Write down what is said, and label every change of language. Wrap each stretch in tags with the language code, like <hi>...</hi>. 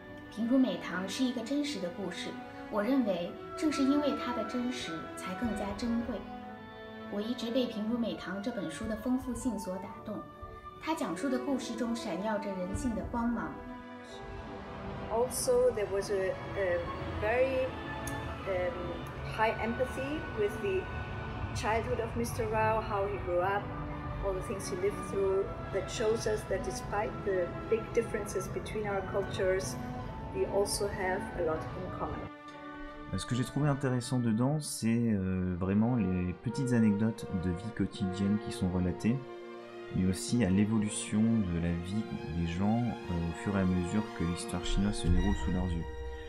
<zh>平如美棠是一个真实的故事，我认为正是因为它的真实才更加珍贵。我一直被平如美棠这本书的丰富性所打动，它讲述的故事中闪耀着人性的光芒。</zh> <en>Also, there was a very high empathy with the childhood of Mr. Rao, how he grew up, all the things he lived through, that shows us that despite the big differences between our cultures, we also have a lot in common.</en> <fr>Ce que j'ai trouvé intéressant dedans, c'est vraiment les petites anecdotes de vie quotidienne qui sont relatées, mais aussi à l'évolution de la vie des gens au fur et à mesure que l'histoire chinoise se déroule sous leurs yeux.</fr>